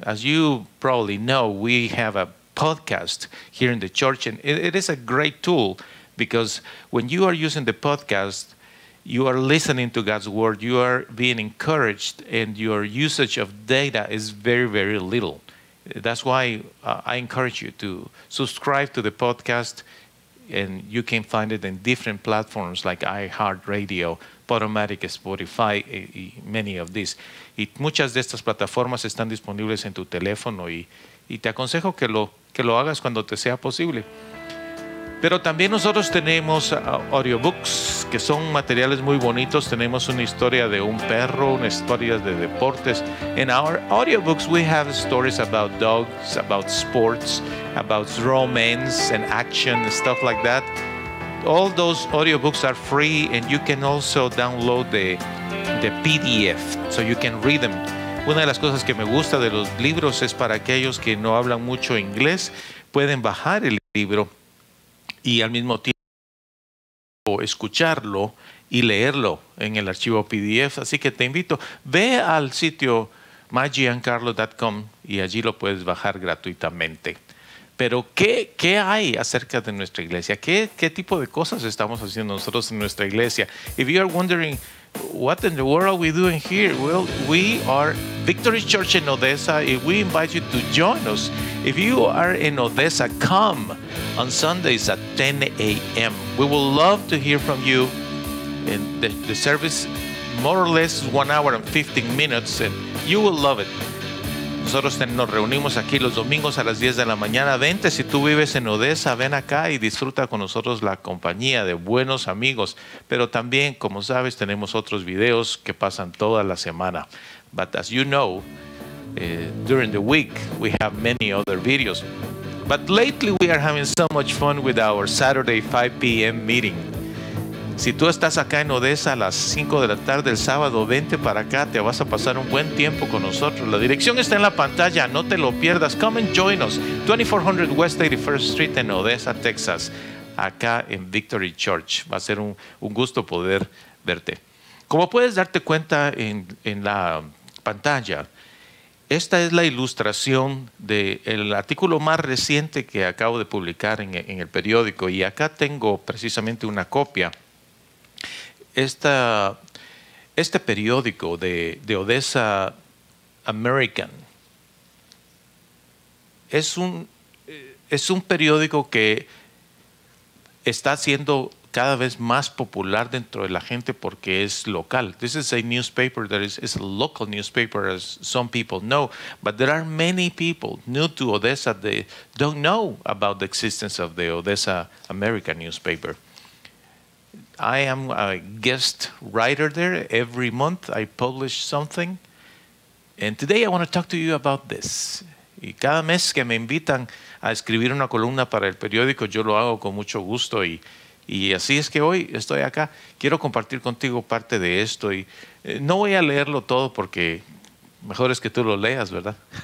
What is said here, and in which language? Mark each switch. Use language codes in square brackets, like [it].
[en] As you probably know, we have a podcast here in the church, and it is a great tool, because when you are using the podcast, you are listening to God's word, you are being encouraged, and your usage of data is very, very little. That's why I encourage you to subscribe to the podcast, and you can find it in different platforms like iHeartRadio, Podomatic, Spotify, y many of these. [es] Y muchas de estas plataformas están disponibles en tu teléfono, y te aconsejo que lo hagas cuando te sea posible. Pero también nosotros tenemos audiobooks, que son materiales muy bonitos. Tenemos una historia de un perro, una historia de deportes. [en] In our audiobooks, we have stories about dogs, about sports, about romance and action, stuff like that. All those audiobooks are free, and you can also download the PDF, so you can read them. [es] Una de las cosas que me gusta de los libros es para aquellos que no hablan mucho inglés, pueden bajar el libro y al mismo tiempo escucharlo y leerlo en el archivo PDF. Así que te invito, ve al sitio mygiancarlo.com y allí lo puedes bajar gratuitamente. Pero ¿qué hay acerca de nuestra iglesia? ¿Qué tipo de cosas estamos haciendo nosotros en nuestra iglesia? [en] If you are wondering, what in the world are we doing here? Well, we are Victory Church in Odessa, and we invite you to join us. If you are in Odessa, come on Sundays at 10 a.m. We would love to hear from you. And the service, more or less, is 1 hour and 15 minutes, and you will love it. [es] Nosotros nos reunimos aquí los domingos a las 10 de la mañana. Vente, si tú vives en Odessa, ven acá y disfruta con nosotros la compañía de buenos amigos. Pero también, como sabes, tenemos otros videos que pasan toda la semana. [en] But as you know, during the week, we have many other videos. But lately, we are having so much fun with our Saturday 5 p.m. meeting. [es] Si tú estás acá en Odessa a las 5 de la tarde el sábado, vente para acá, te vas a pasar un buen tiempo con nosotros. La dirección está en la pantalla, no te lo pierdas. [en] Come and join us, 2400 West 81st Street [es] en Odessa, Texas, acá en Victory Church. Va a ser un gusto poder verte. Como puedes darte cuenta en la pantalla, esta es la ilustración del artículo más reciente que acabo de publicar en el periódico, y acá tengo precisamente una copia. Este periódico de Odessa American es un periódico que está siendo cada vez más popular dentro de la gente porque es local. This is a newspaper that is a local newspaper, as some people know, but there are many people new to Odessa that don't know about the existence of the Odessa American newspaper. I am a guest writer there. Every month I publish something. And today I want to talk to you about this. Y cada mes que me invitan a escribir una columna para el periódico, yo lo hago con mucho gusto. Y así es que hoy estoy acá. Quiero compartir contigo parte de esto. Y no voy a leerlo todo porque mejor es que tú lo leas, ¿verdad?